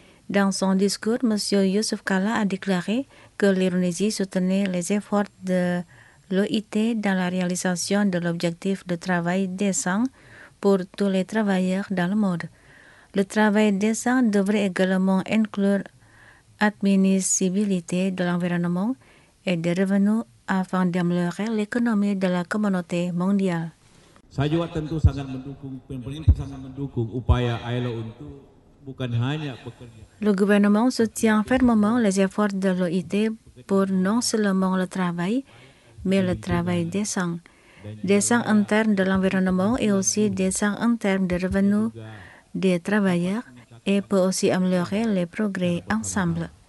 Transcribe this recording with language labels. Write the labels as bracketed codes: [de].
[fr] Dans son discours, M. Yusuf Kalla a déclaré que l'Indonésie soutenait les efforts de l'OIT dans la réalisation de l'objectif de travail décent pour tous les travailleurs dans le monde. Le travail décent devrait également inclure l'admissibilité de l'environnement et des revenus afin d'améliorer l'économie de la communauté mondiale. [id] Saya juga tentu sangat mendukung, pemerintah sangat mendukung upaya ILO untuk bukan hanya pekerja. [fr] Le gouvernement soutient fermement les efforts de l'OIT pour non seulement le travail, mais le travail décent. Décent en termes de l'environnement et aussi décent en termes de revenus des travailleurs et peut aussi améliorer les progrès ensemble.